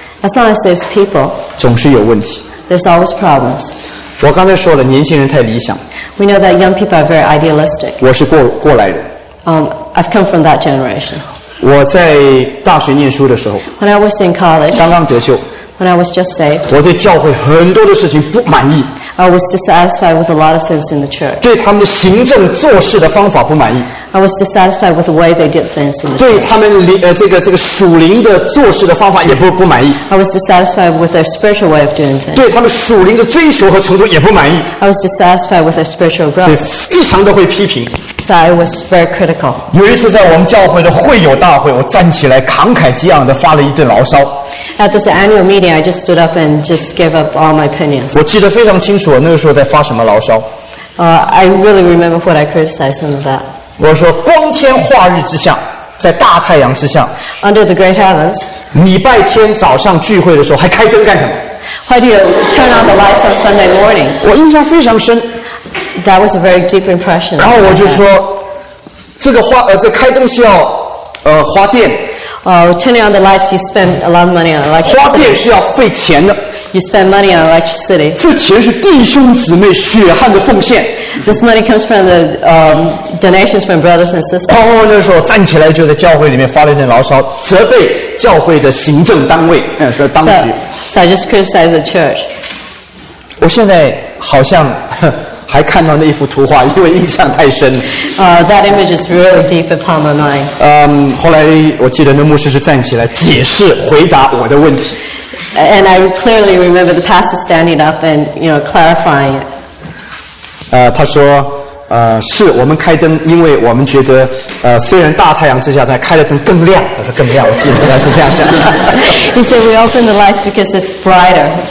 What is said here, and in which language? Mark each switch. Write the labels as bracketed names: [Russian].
[English] As long as there's people. [Chinese] 总是有问题。 [English] There's always problems. [Chinese] 我刚才说了，年轻人太理想。 [English] We know that young people are very idealistic. [Chinese] 我是过来人。 [English] I've come from that generation. [Chinese] 我在大学念书的时候。 [English] When I was in college. [Chinese] 刚刚得救。 [English] When I was just saved. [Chinese] 我对教会很多的事情不满意。 [English] I was dissatisfied with a lot of things in the church. [Chinese] 对他们的行政做事的方法不满意。 [English] I was dissatisfied with the way they did things in the church. [Chinese] 对他们这个属灵的做事的方法也不满意。 [English] I was dissatisfied with their spiritual way of doing things. [Chinese] 对他们属灵的追求和程度也不满意。 [English] I was dissatisfied with their spiritual growth. [Chinese] 非常的会批评。 [English] So I was very critical. [Chinese] 有一次在我们教会的会友大会，我站起来慷慨激昂的发了一顿牢骚。 [English] At this annual meeting, I just stood up and just gave up all my opinions. [Chinese] 我记得非常清楚，那个时候在发什么牢骚。 [English] I really remember what I criticized them about. [Chinese] 我说光天化日之下，在大太阳之下 [English] Under the great heavens [Chinese] 礼拜天早上聚会的时候还开灯干什么？ [English] Why do you turn on the lights on Sunday morning? [Chinese] 我印象非常深。 [English] That was a very deep impression. [Chinese] 然后我就说这个花这开灯需要花电。 [English] Turning on the lights you spend a lot of money on electricity. [Chinese] 花电是要费钱的。 [English] You spend money on electricity. [Chinese] 这钱是弟兄姊妹血汗的奉献。 [English] This money comes from the donations from brothers and sisters. [Chinese] 哦，那时候站起来就在教会里面发了一顿牢骚，责备教会的行政单位，说当局。 [English] So I just criticized the church. [Chinese] 我现在好像还看到那幅图画，因为印象太深。 [English] That image is really deep upon my mind. [Chinese] 后来我记得那牧师是站起来解释回答我的问题。 [English] And I clearly remember the pastor standing up and, you know, clarifying it. [Chinese] 他说是我们开灯，因为我们觉得，虽然大太阳之下，但开了灯更亮。他说更亮，我记得他是这样讲。 [English] He said we open the lights because it's brighter.